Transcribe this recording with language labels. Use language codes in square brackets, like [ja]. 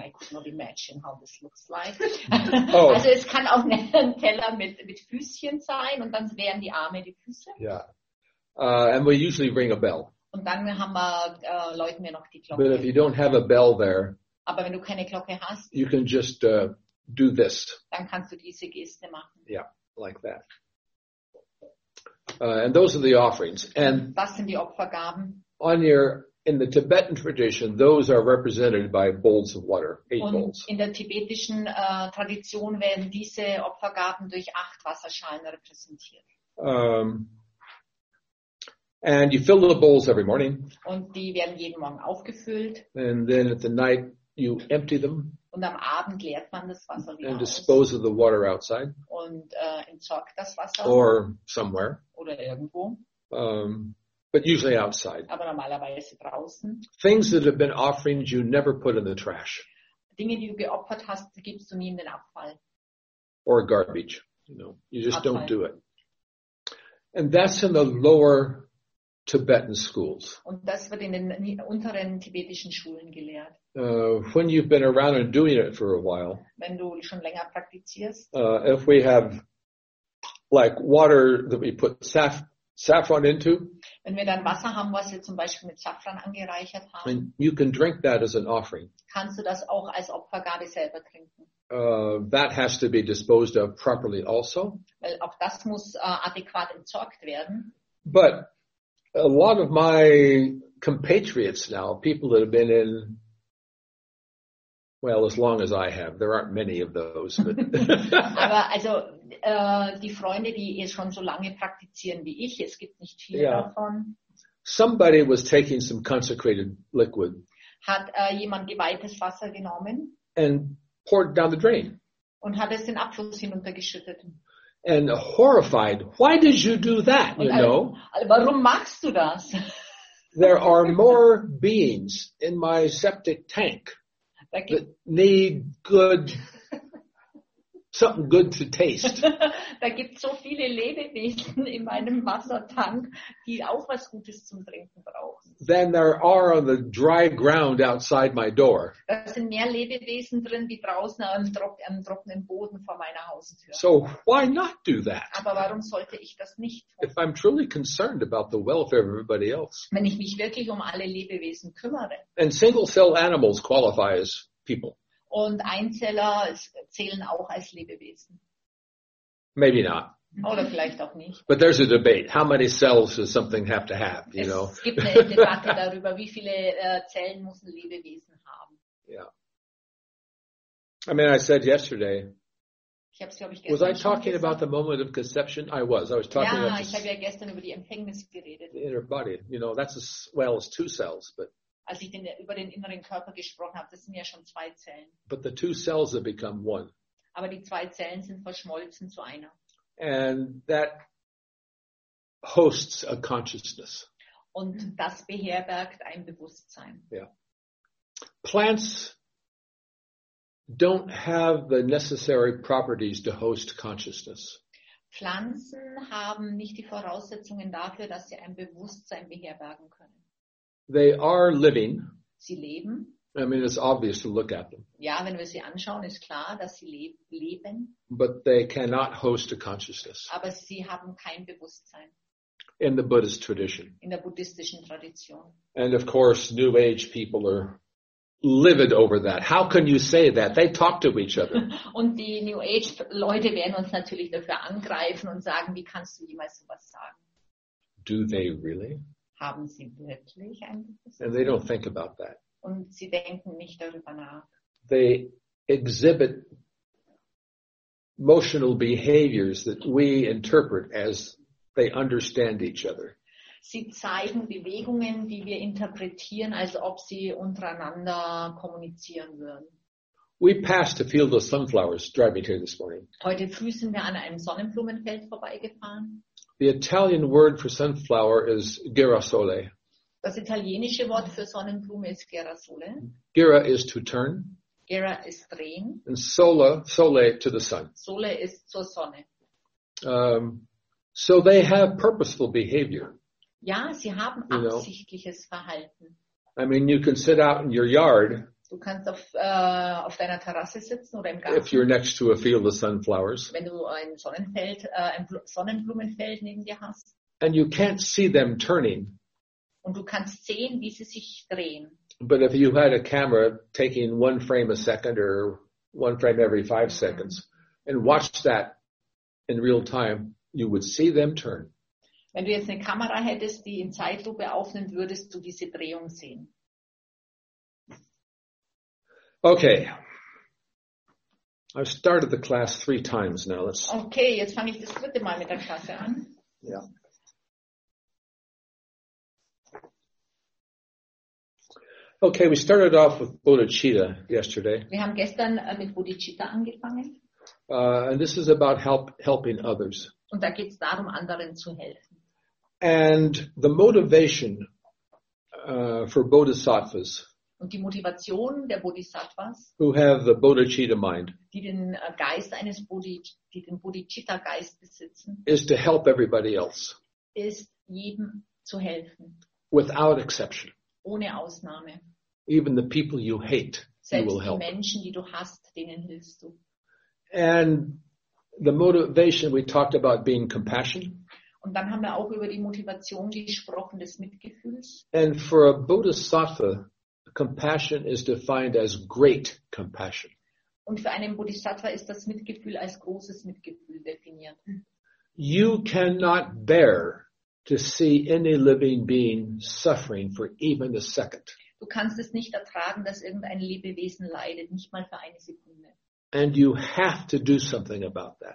[en] I could not imagine how this looks like. Oh. [de] Also es kann auch ein Teller mit Füßchen sein und dann wären die Arme die Füße. [en] Ja. Yeah. And we usually ring a bell. [de] Und dann haben wir läuten wir noch die Glocke. [en] But if you don't have a bell there, [de] aber wenn du keine Glocke hast, [en] you can just do this. [de] Dann kannst du diese Geste machen. [en] Yeah, like that. And those are the offerings. And [de] das sind die Opfergaben. [en] In the Tibetan tradition, those are represented by bowls of water, eight bowls. [de] In der tibetischen Tradition werden diese Opfergaben durch 8 Wasserschalen repräsentiert. [en] And you fill the bowls every morning. [de] Und die werden jeden Morgen aufgefüllt. [en] And then at the night you empty them. [de] Und am Abend leert man das Wasser wieder. [en] And dispose of the water outside. [de] Und entsorgt das Wasser. [en] Or somewhere. [de] Oder irgendwo. [en] But usually outside. [de] Aber normalerweise draußen. [en] Things that have been offerings you never put in the trash. [de] Dinge, die du geopfert hast, gibst du nie in den Abfall. [en] Or garbage. You know, you just Abfall. Don't do it. And that's in the lower Tibetan schools. [de] Und das wird in den unteren tibetischen Schulen gelehrt. [en] When you've been around and doing it for a while. [de] Wenn du schon länger praktizierst. [en] If we have like water that we put saffron into. [de] Wenn wir dann Wasser haben, was wir zum Beispiel mit Safran angereichert haben. [en] And you can drink that as an offering. [de] Kannst du das auch als Opfergabe selber trinken? [en] That has to be disposed of properly also. [de] Weil auch das muss adäquat entsorgt werden. [en] But a lot of my compatriots now, people that have been in, well, as long as I have, there aren't many of those. But [de] aber also die Freunde, die es schon so lange praktizieren wie ich, es gibt nicht viele davon. [en] Somebody was taking some consecrated liquid. [de] Hat jemand geweihtes Wasser genommen? [en] And poured down the drain. [de] Und hat es den Abfluss hinuntergeschüttet. [en] And horrified, why did you do that, you know? [de] Warum machst du das? [en] There are more beings in my septic tank that need good, something good to taste. [de] Da gibt so viele Lebewesen in meinem Wassertank, die auch was Gutes zum Trinken brauchen. [en] Than there are on the dry ground outside my door. [de] Da sind mehr Lebewesen drin, wie draußen am trockenen Boden vor meiner Haustür. [en] So why not do that? [de] Aber warum sollte ich das nicht tun? [en] If I'm truly concerned about the welfare of everybody else. [de] Wenn ich mich wirklich um alle Lebewesen kümmere. [en] And single-cell animals qualify as people. [de] Und Einzeller zählen auch als Lebewesen. [en] Maybe not. [de] Oder vielleicht auch nicht. [en] But there's a debate. How many cells does something have to have? You [de] es [en] know? [de] Gibt eine Debatte darüber, wie viele Zellen muss ein Lebewesen haben. [en] Yeah. I mean, I said yesterday. [de] Ich hab's, glaub ich, gestern [en] was I talking [de] gesagt. [en] About the moment of conception? I was talking about. [de] Ja, ich habe ja gestern über die Empfängnis geredet. [en] The inner body. You know, that's as well as 2 cells, but. [de] Als ich über den inneren Körper gesprochen habe, das sind ja schon 2 Zellen. [en] But the 2 cells have become 1. [de] Aber die 2 Zellen sind verschmolzen zu einer. [en] And that hosts a consciousness. [de] Und das beherbergt ein Bewusstsein. [en] Yeah. Plants don't have the necessary properties to host consciousness. [de] Pflanzen haben nicht die Voraussetzungen dafür, dass sie ein Bewusstsein beherbergen können. [en] They are living. [de] Sie leben. [en] I mean, it's obvious to look at them. [de] Ja, wenn wir sie anschauen, ist klar, dass sie leben. [en] But they cannot host a consciousness. [de] Aber sie haben kein Bewusstsein. [en] In the Buddhist tradition. [de] In der buddhistischen Tradition. [en] And of course, New Age people are livid over that. How can you say that? They talk to each other. [de] Und die New Age Leute werden uns natürlich dafür angreifen und sagen, wie kannst du jemals sowas sagen? [en] Do they really? [de] Haben sie wirklich ein Bewusstsein? [en] And they don't think about that. [de] Und sie denken nicht darüber nach. [en] They exhibit emotional behaviors that we interpret as they understand each other. [de] Sie zeigen Bewegungen, die wir interpretieren, als ob sie untereinander kommunizieren würden. [en] We passed a field of sunflowers driving here this morning. [de] Heute früh sind wir an einem Sonnenblumenfeld vorbeigefahren. [en] The Italian word for sunflower is girasole. [de] Das italienische Wort für Sonnenblume ist girasole. [en] Gira is to turn. [de] Gira ist drehen. [en] And sole to the sun. [de] Sole ist zur Sonne. [en] So they have purposeful behavior. [de] Ja, sie haben absichtliches Verhalten. [en] I mean, you can sit out in your yard. [de] Du kannst auf deiner Terrasse sitzen oder im Garten. [en] If you're next to a field of sunflowers. [de] Wenn du ein Sonnenfeld, ein Sonnenblumenfeld neben dir hast. [en] And you can't see them turning. [de] Und du kannst sehen, wie sie sich drehen. [en] But if you had a camera taking one frame a second or one frame every 5 seconds and watched that in real time, you would see them turn. [de] Wenn du jetzt eine Kamera hättest, die in Zeitlupe aufnimmt, würdest du diese Drehung sehen. [en] Okay. I've started the class 3 times now. Let's... [de] Okay, jetzt fange ich das dritte Mal mit der Klasse an. Ja. [en] Okay, we started off with bodhicitta yesterday. [de] Wir haben gestern mit bodhicitta angefangen. [en] And this is about helping others. [de] Und da geht's darum, anderen zu helfen. [en] And the motivation for bodhisattvas, [de] und die Motivation der Bodhisattvas, [en] who have the bodhicitta mind, [de] die den Geist eines die den bodhicitta Geist besitzen, [en] is to help everybody else, [de] ist jedem zu helfen, [en] without exception, [de] ohne Ausnahme. [en] Even the people you hate, [de] selbst [en] you will help. [de] Die Menschen, die du hast, denen hilfst du. [en] And the motivation, we talked about being compassion. [de] Und dann haben wir auch über die Motivation gesprochen, des Mitgefühls. [en] And for a Bodhisattva, compassion is defined as great compassion. [de] Und für einen Bodhisattva ist das Mitgefühl als großes Mitgefühl definiert. [en] You cannot bear to see any living being suffering for even a second. [de] Du kannst es nicht ertragen, dass irgendein Lebewesen leidet, nicht mal für eine Sekunde. [en] And you have to do something about that.